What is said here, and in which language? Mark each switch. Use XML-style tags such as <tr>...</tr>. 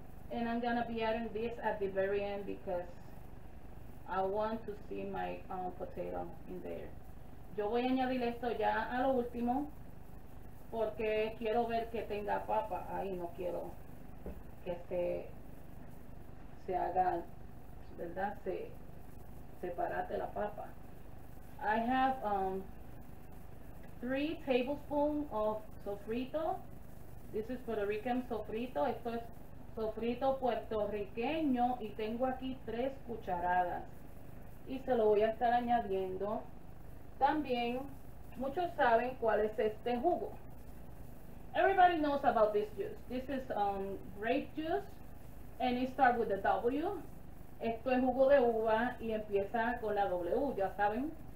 <en>And I'm gonna be adding this at the very end because I want to see my potato in there.</en> <es>Yo voy a añadir esto ya a lo último porque quiero ver que tenga papa ahí, no quiero que se haga, ¿verdad? Se separate la papa.</es> <en>I have 3 tablespoons of sofrito. This is Puerto Rican sofrito.</en> <es>Esto es sofrito puertorriqueño y tengo aquí 3 cucharadas. Y se lo voy a estar añadiendo. También, muchos saben cuál es este jugo.</es> <en>Everybody knows about this juice. This is grape juice, and it starts with the W.</en> <es>Esto es jugo de uva y empieza con la W, ya saben.</es>